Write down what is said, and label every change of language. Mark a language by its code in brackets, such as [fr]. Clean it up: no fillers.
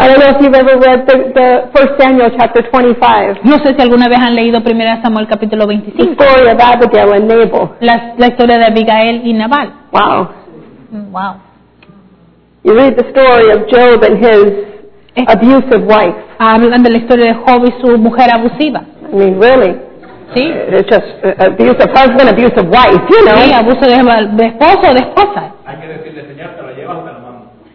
[en] I don't know if you've ever read the 1 Samuel chapter 25. [es] No sé si alguna vez han leído 1 Samuel capítulo 25. [en] The story of Abigail and Nabal. [es] La historia de Abigail y Nabal. Wow. Wow. [en] You read the story of Job and his abusive wife. [es] Hablan de la historia de Job y su mujer abusiva. [en] I mean, really. [es] Sí. [en] It's just abusive husband, abusive wife, you know. [es] Sí, abuso de esposo o de esposa. Hay que decirle, señor, te la llevas o te la mando.